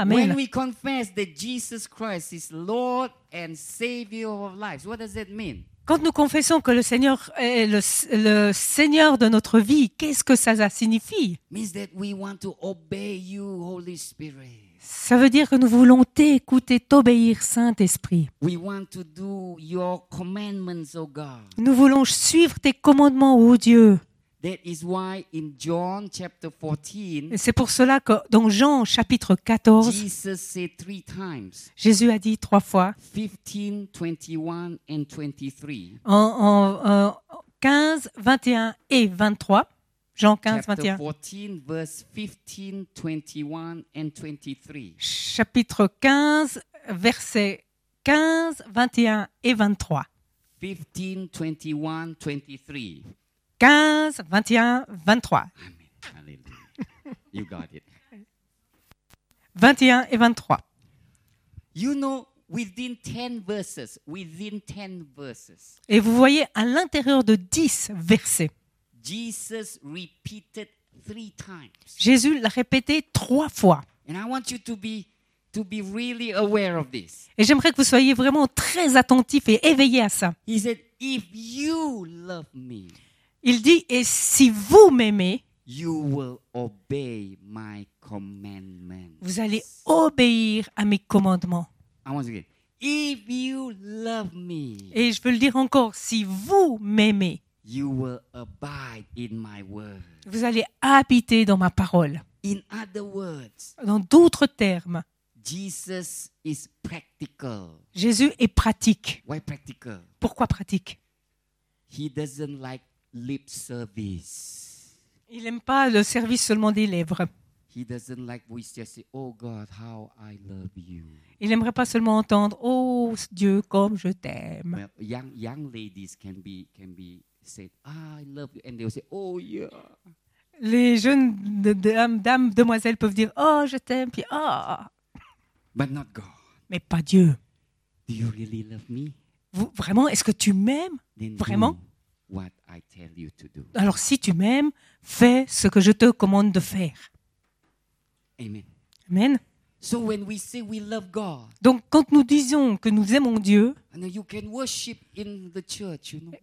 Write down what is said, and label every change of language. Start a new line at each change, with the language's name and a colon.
English: Amen. When we confess that Jesus Christ is Lord and Savior of our lives, what does that mean?
French: Quand nous confessons que le Seigneur est le Seigneur de notre vie, qu'est-ce que ça signifie?
English: Means that we want to obey you, Holy Spirit.
French: Ça veut dire que nous voulons t'écouter, t'obéir, Saint-Esprit.
English: We want to do your commandments, oh God.
French: Nous voulons suivre tes commandements, oh Dieu.
English: That is why in John chapter 14,
French: et c'est pour cela que dans Jean chapitre 14,
English: Jesus said three times,
French: Jésus a dit trois fois,
English: 15, 21 and 23,
French: en 15, 21 et 23, Jean 15, 21.
English: Chapter 14, verse 15, 21 and 23.
French: Chapitre 15, versets 15, 21 et 23.
English: 15, 21, 23.
French: 15, 21, 23.
English: Amen. Hallelujah. You got it.
French: 21 et 23.
English: You know, within 10 verses, within 10 verses.
French: Et vous voyez, à l'intérieur de 10 versets,
English: Jesus repeated three times.
French: Jésus l'a répété trois fois.
English: And I want you to be really aware of this.
French: Et j'aimerais que vous soyez vraiment très attentifs et éveillés à ça.
English: He said, if you love me,
French: il dit, et si vous m'aimez,
English: you will obey my commandments.
French: Vous allez obéir à mes commandements.
English: If you love me,
French: et je veux le dire encore, si vous m'aimez,
English: you will abide in my word.
French: Vous allez habiter dans ma parole.
English: In other words,
French: dans d'autres termes,
English: Jesus is practical.
French: Jésus est pratique.
English: Why practical?
French: Pourquoi pratique?
English: He doesn't like lip service.
French: Il n'aime pas le service seulement des lèvres.
English: He doesn't like we just say, oh God, how I love you.
French: Il n'aimerait pas seulement entendre, oh Dieu, comme je t'aime.
English: Well, young ladies can be said, I love you, and they will say, oh yeah.
French: Les jeunes demoiselles peuvent dire, oh je t'aime, puis oh.
English: But not God.
French: Mais pas Dieu.
English: Do you really love me?
French: Vraiment, est-ce que tu m'aimes?
English: Then
French: vraiment?
English: Who? What I tell you to do.
French: Alors si tu m'aimes, fais ce que je te commande de faire.
English: Amen.
French: Amen.
English: So when we say we love God,
French: donc quand nous disons que nous aimons Dieu,
English: and you can worship in the church, you know,